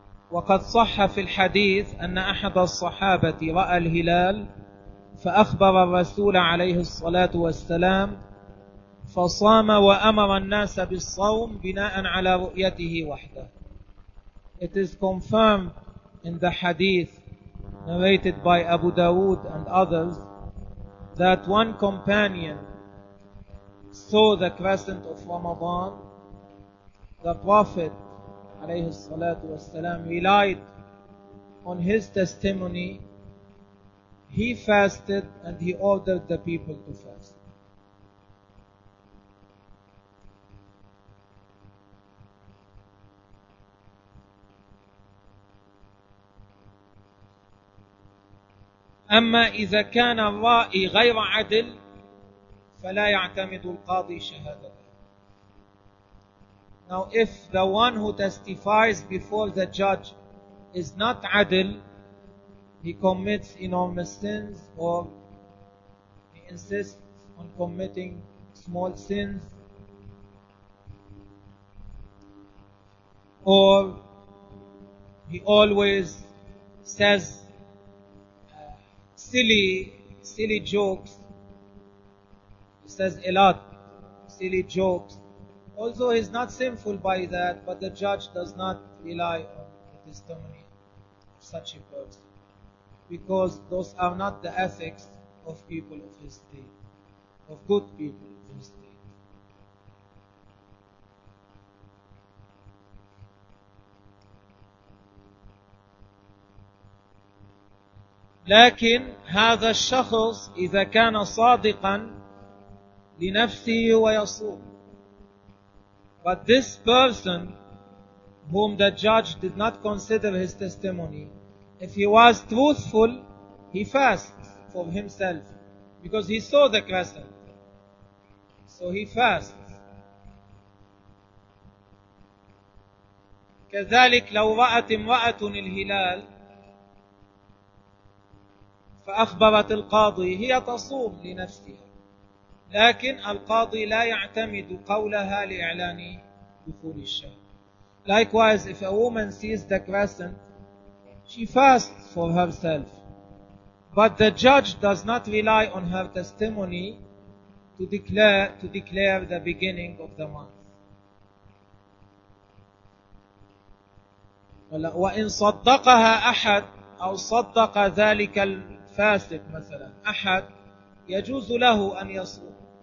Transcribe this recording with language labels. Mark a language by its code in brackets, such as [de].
[ar] وقد صح في الحديث أن أحد الصحابة رأى الهلال فأخبر الرسول عليه الصلاة والسلام فصام وأمر الناس بالصوم بناء على رؤيته وحده. [en] It is confirmed in the hadith narrated by Abu Dawood and others that one companion saw the crescent of Ramadan. The Prophet [ar] عليه الصلاة والسلام [en] relied on his testimony. He fasted and he ordered the people to fast. [ar] أما إذا كان الرائي غير عدل فلا يعتمد القاضي شهادته. [en] Now if the one who testifies before the judge is not adil, he commits enormous sins or he insists on committing small sins or he always says silly jokes, he says a lot silly jokes. Although he is not sinful by that, but the judge does not rely on the testimony of such a person, because those are not the ethics of people of his state, of good people of his state. [ar] لكن هذا الشخص إذا كان صادقا لنفسه ويصوم. [en] But this person, whom the judge did not consider his testimony, if he was truthful, he fasts for himself, because he saw the crescent. So he fasts. [ar] كذلك لو رأت امرأة الهلال فأخبرت القاضي هي تصوم لنفسها. لكن القاضي لا يعتمد قولها لإعلان دخول الشهر. [en] Likewise, if a woman sees the crescent, she fasts for herself. But the judge does not rely on her testimony to declare the beginning of the month. [ar] وإن صدقها أحد أو صدق ذلك الفاسق مثلا أحد يجوز له أن يصوم.